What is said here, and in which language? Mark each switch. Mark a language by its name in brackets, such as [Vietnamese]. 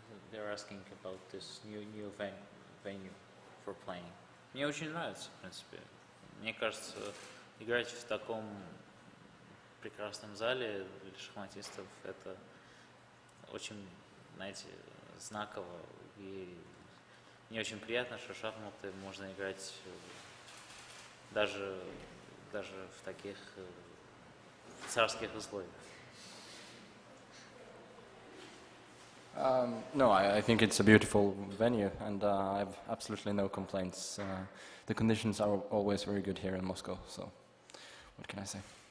[English] they're asking about this new venue for playing. [Russian] Мне очень нравится, в принципе. Мне кажется, играть в таком прекрасном зале для шахматистов это очень, знаете, знаково. И мне очень приятно, что шахматы можно играть. Даже в таких царских условиях. [English] No, I think it's a beautiful venue, and I have absolutely no complaints. The conditions are always very good here in Moscow, so what can I say?